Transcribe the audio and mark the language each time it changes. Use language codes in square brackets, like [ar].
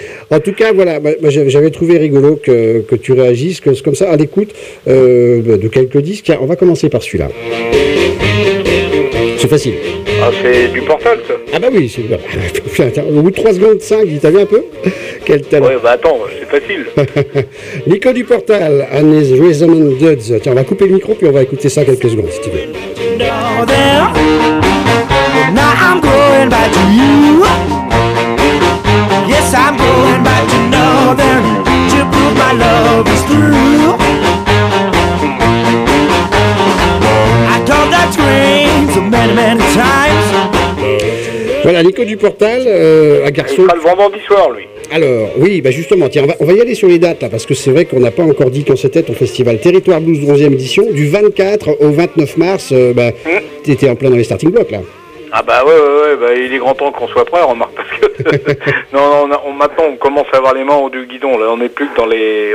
[fr] En tout cas, voilà, j'avais trouvé rigolo que tu réagisses comme ça à l'écoute de quelques disques. On va commencer par celui-là. C'est facile. Ah, c'est du Portal, ça. Ah bah oui, c'est... Au bout de 3 secondes, 5, t'as vu un peu ? Quel talent. Ouais, bah attends, c'est facile. Nico du Portal, and his Rhythm and Duds. Tiens, on va couper le micro, puis on va écouter ça quelques secondes, si tu veux. [en] Now I'm going back to you. Yes, I'm going back to Northern to prove my love is true. I told that train so many, many times. [fr] Voilà, Nico du Portal, un garçon. Il sera le vendredi soir, lui. Alors, oui, bah justement, tiens, on va y aller sur les dates, là, parce que c'est vrai qu'on n'a pas encore dit quand c'était ton festival Territoire Blues 11e édition, du 24 au 29 mars, tu étais en plein dans les starting blocks, là. Ah bah ouais, bah il est grand temps qu'on soit prêt, remarque, parce que maintenant on commence à avoir les mains au du guidon, là, on n'est plus que dans les...